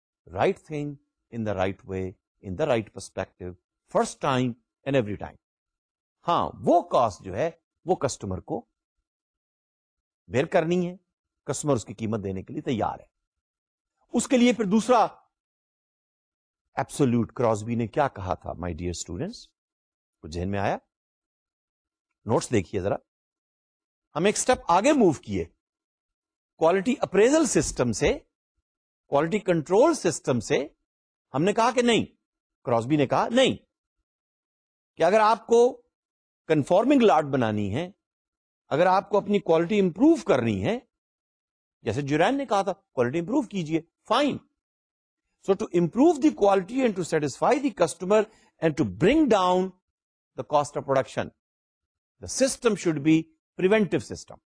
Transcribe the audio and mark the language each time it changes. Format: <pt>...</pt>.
<en>right thing in the right way, in the right perspective, first time and every time.</en> <ur>ہاں وہ cost جو ہے وہ customer کو بیئر کرنی ہے, کسٹمر اس کی قیمت دینے کے لیے تیار ہے. اس کے لیے پھر دوسرا ایبسولوٹ کراسبی نے کیا کہا تھا</ur> <en>my dear students,</en> <ur>کچھ ذہن میں آیا؟ نوٹس دیکھیے ذرا. ہم ایک اسٹیپ آگے موو کیے کوالٹی اپریزل سسٹم سے, کوالٹی کنٹرول سسٹم سے. ہم نے کہا کہ نہیں, کراسبی نے کہا نہیں, کہ اگر آپ کو کنفارمنگ لاٹ بنانی ہے, اگر آپ کو اپنی کوالٹی امپروو کرنی ہے, جیسے جورین نے کہا تھا کوالٹی امپروو کیجئے, fine.</ur> <en>So to improve the quality and to satisfy the customer and to bring down the cost of production, the system should be preventive system.</en>